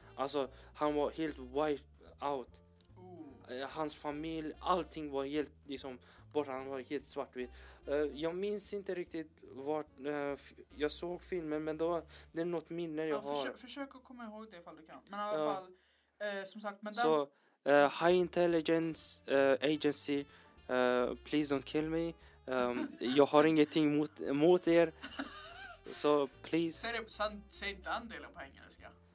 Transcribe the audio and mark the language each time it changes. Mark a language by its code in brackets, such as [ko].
[sv] Alltså han var helt [en] wiped out. [sv] Hans familj, allting var helt liksom borta, han var helt svartvit. Jag minns inte riktigt vart jag såg filmen, men då det är något minne jag har. Försök att komma ihåg det ifall du kan. Men i alla fall som sagt, men [en] så high intelligence agency, please don't kill me. [sv] jag har ingenting mot er. Så please. Säg inte andelen på engelska.